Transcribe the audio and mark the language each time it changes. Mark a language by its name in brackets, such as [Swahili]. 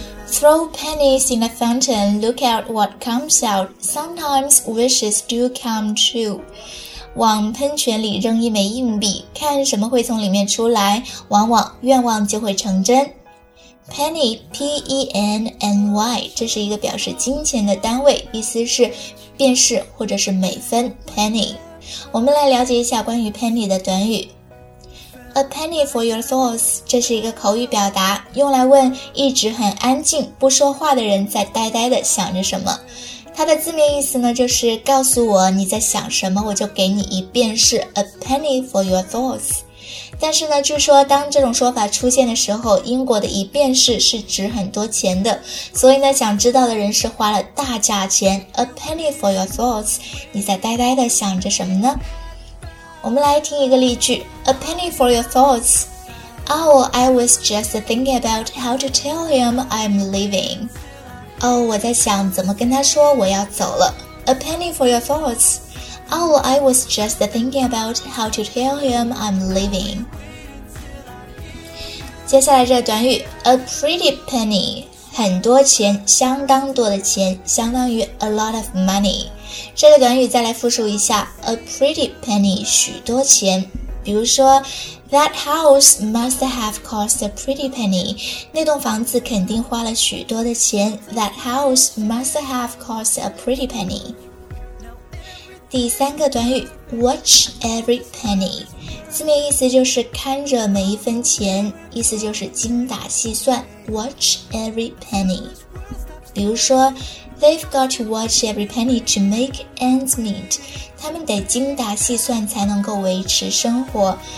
[English] Throw pennies in a fountain, look out what comes out. Sometimes wishes do come true. [Chinese] 往喷泉里扔一枚硬币，看什么会从里面出来，往往愿望就会成真。 Penny, P-E-N-N-Y, 这是一个表示金钱的单位，意思是便士或者是美分 ,Penny。我们来了解一下关于 Penny 的短语。 [English] A penny for your thoughts, [Chinese] 这是一个口语表达，用来问一直很安静不说话的人在呆呆地想着什么。它的字面意思呢，就是告诉我你在想什么，我就给你一便士 , [English] a penny for your thoughts。 [Chinese] 但是呢，据说当这种说法出现的时候，英国的一便士是值很多钱的，所以呢，想知道的人是花了大价钱 , [English] a penny for your thoughts, [Chinese] 你在呆呆地想着什么呢？我们来听一个例句 , [English] a penny for your thoughts。 Oh, I was just thinking about how to tell him I'm leaving. [Chinese] Oh, 我在想怎么跟他说我要走了。 [English] A penny for your thoughts. Oh, I was just thinking about how to tell him I'm leaving. [Chinese] 接下来这短语 , [English] a pretty penny, [Chinese] 很多钱，相当多的钱，相当于 [English] a lot of money. [Chinese] 这个短语再来复述一下 , [English] a pretty penny, [Chinese] 许多钱。比如说 [English] ,that house must have cost a pretty penny. [Chinese] 那栋房子肯定花了许多的钱。 [English] That house must have cost a pretty penny. [Chinese] 第三个短语 , [English] watch every penny. [Chinese] 字面意思就是看着每一分钱，意思就是精打细算。 [English] Watch every penny. [Chinese] 比如说 [English] ,they've got to watch every penny to make ends meet. [Chinese] 他们得精打细算才能够维持生活。